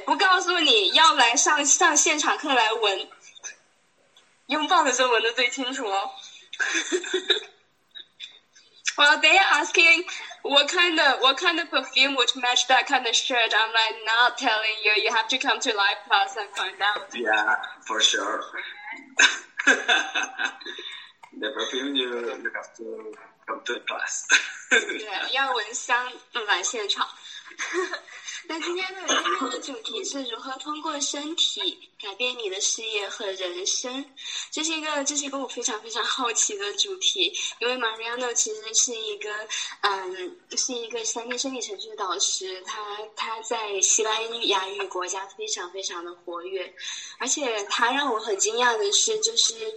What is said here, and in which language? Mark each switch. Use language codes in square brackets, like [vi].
[zh] 不告诉你要来上现场课来闻，拥抱的时候闻的最清楚哦。 [en] Well, they are asking what kind of perfume would match that kind of shirt. I'm like, not telling you. You have to come to live class and find out. Yeah, for sure. The perfume you have to come to class. [zh] Yeah, 要闻香来现场。那今天的主题是如何通过身体改变你的事业和人生，这是一个我非常非常好奇的主题，因为 Mariano 其实是一个三面身体程序的导师，他在西班牙语国家非常非常的活跃，而且他让我很惊讶的是，就是